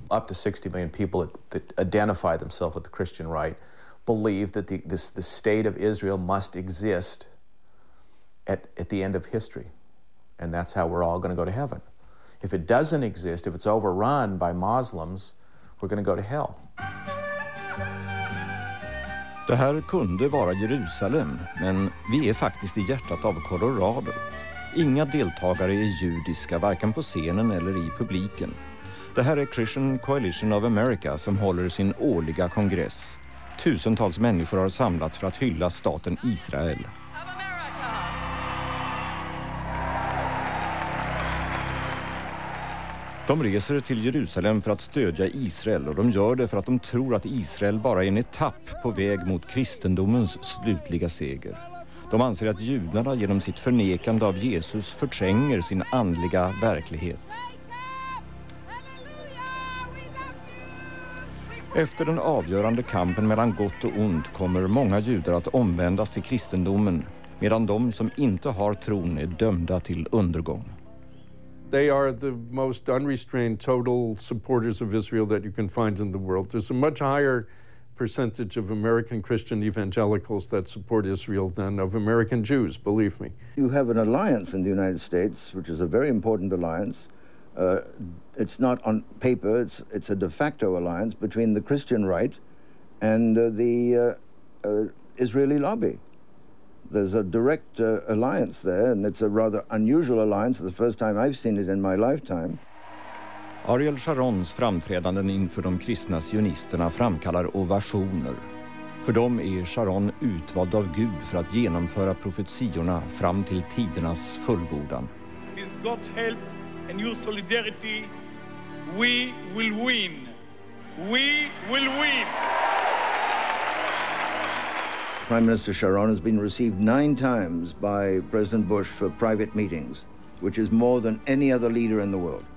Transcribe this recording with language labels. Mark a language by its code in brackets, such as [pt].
[en] Up to 60 million people that identify themselves with the Christian right believe that the state of Israel must exist at the end of history. And that's how we're all going to go to heaven. If it doesn't exist, if it's overrun by Muslims, we're going to go to hell. [sv] Det här kunde vara Jerusalem, men vi är faktiskt i hjärtat av Colorado. Inga deltagare är judiska, varken på scenen eller i publiken. Det här är Christian Coalition of America som håller sin årliga kongress. Tusentals människor har samlats för att hylla staten Israel. De reser till Jerusalem för att stödja Israel, och de gör det för att de tror att Israel bara är en etapp på väg mot kristendomens slutliga seger. De anser att judarna genom sitt förnekande av Jesus förtränger sin andliga verklighet. Efter den avgörande kampen mellan gott och ont kommer många judar att omvändas till kristendomen, medan de som inte har tron är dömda till undergång. [en] They are the most unrestrained, total supporters of Israel that you can find in the world. There's a much higher percentage of American Christian evangelicals that support Israel than of American Jews, believe me. You have an alliance in the United States, which is a very important alliance. It's not on paper, it's a de facto alliance between the Christian right and the Israeli lobby. There's a direct alliance there, and it's a rather unusual alliance, the first time I've seen it in my lifetime. [sv] Ariel Sharons framträdanden inför de kristna sionisterna framkallar ovationer. För dem är Sharon utvald av Gud för att genomföra profetiorna fram till tidernas fullbordan. [en] With God's help and your solidarity, we will win. We will win. Prime Minister Sharon has been received 9 times by President Bush for private meetings, which is more than any other leader in the world.